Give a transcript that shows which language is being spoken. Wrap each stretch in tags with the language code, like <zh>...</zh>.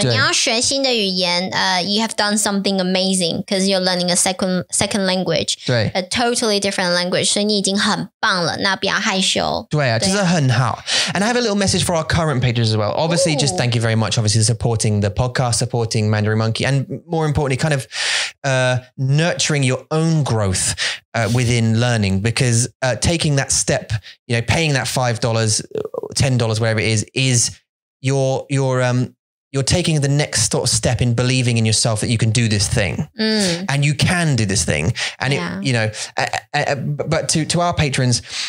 <zh>你要学新的语言，</zh> <en>you have done something amazing because you're learning a second language, a totally different language.</en> <zh>所以你已经很棒了，那不要害羞。对啊，就是很好。</zh> <en>And I have a little message for our current patrons as well. Obviously, just thank you very much, obviously, supporting the podcast, supporting Mandarin Monkey, and more importantly, kind of nurturing your own growth within learning, because taking that step, you know, paying that $5, $10, whatever it is you're taking the next sort of step in believing in yourself that you can do this thing and you can do this thing. And, it, you know, but to our patrons,</en>